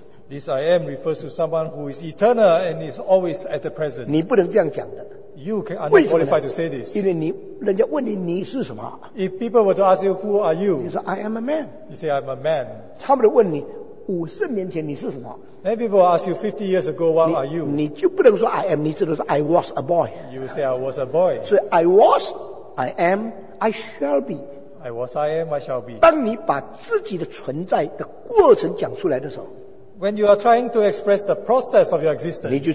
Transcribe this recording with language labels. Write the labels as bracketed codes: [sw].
[en] This I am refers to someone who is eternal and is always at the present. [zh] 你不能这样讲的。 [en] You are not qualified to say this. [zh] 因为你, 人家问你你是什么? [en] If people were to ask you who are you? [zh] 你说, [en] I am a man. You say I'm a man. [zh] 他们问你, 50年前你是什么? [en] Many people will ask you 50 years ago what [zh] 你, [en] are you? [zh] 你就不能说 I am, 你只能说 [en] I was a boy. You say I was a boy. 所以 I was, I am, I shall be. I was, I am, I shall be. [zh] 当你把自己的存在的过程讲出来的时候, [en] when you are trying to express the process of your existence,